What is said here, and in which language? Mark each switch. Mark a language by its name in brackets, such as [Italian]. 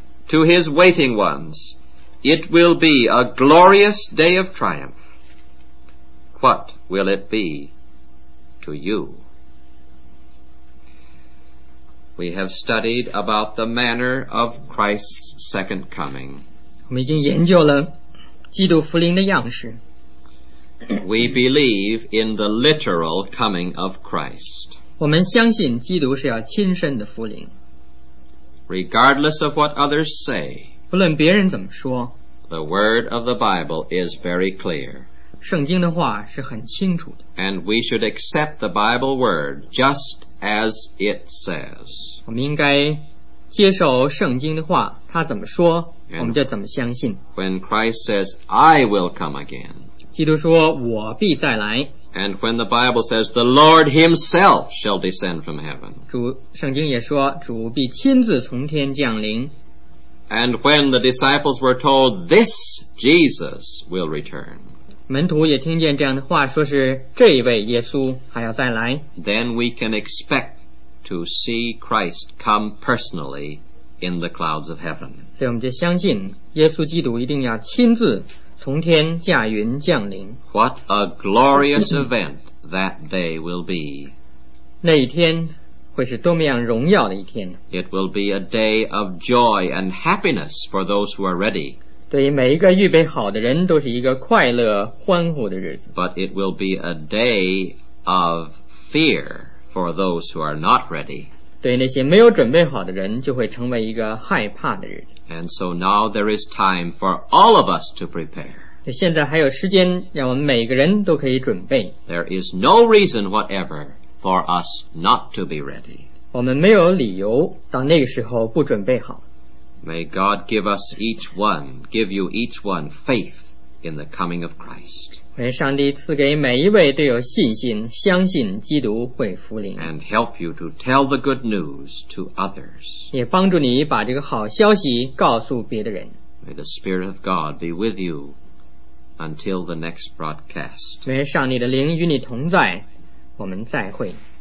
[English] To his waiting ones, it will be a glorious day of triumph. What will it be to you? We have studied about the manner of Christ's second coming. [Chinese] 我们已经研究了基督福临的样式。 [English] We believe in the literal coming of Christ. [Chinese] 我们相信基督是要亲身的福临。 [English] Regardless of what others say, [Chinese] 不论别人怎么说, [English] the word of the Bible is very clear. [Chinese] 圣经的话是很清楚的。 [English] And we should accept the Bible word just as it says. [Chinese] 我们应该接受圣经的话，他怎么说，我们就怎么相信。 [English] When Christ says, "I will come again," [Chinese] 基督说，我必再来。 [English] And when the Bible says, "The Lord Himself shall descend from heaven," [Chinese] 主，圣经也说，主必亲自从天降临。 [English] And when the disciples were told, "This Jesus will return," [Chinese] 门徒也听见这样的话，说是这位耶稣还要再来。 [English] Then we can expect to see Christ come personally in the clouds of heaven. [Chinese] 所以我们就相信耶稣基督一定要亲自从天驾云降临。 [English] What a glorious event that day will be. [Chinese] 那一天会是多么样荣耀的一天。 [English] It will be a day of joy and happiness for those who are ready. [Chinese] 对于每一个预备好的人都是一个快乐欢呼的日子。 [English] But it will be a day of fear for those who are not ready. [Chinese] 对那些没有准备好的人就会成为一个害怕的日子。 [English] And so now there is time for all of us to prepare. [Chinese] 现在还有时间让我们每个人都可以准备。 [English] There is no reason whatever for us not to be ready. [Chinese] 我们没有理由到那个时候不准备好。 [English] May God give us each one, give you each one faith in the coming of Christ. [Chinese] 愿上帝赐给每一位都有信心相信基督会福临。 [English] And help you to tell the good news to others. [Chinese] 也帮助你把这个好消息告诉别的人。 [English] May the Spirit of God be with you until the next broadcast. [Chinese] 愿上帝的灵与你同在，我们再会。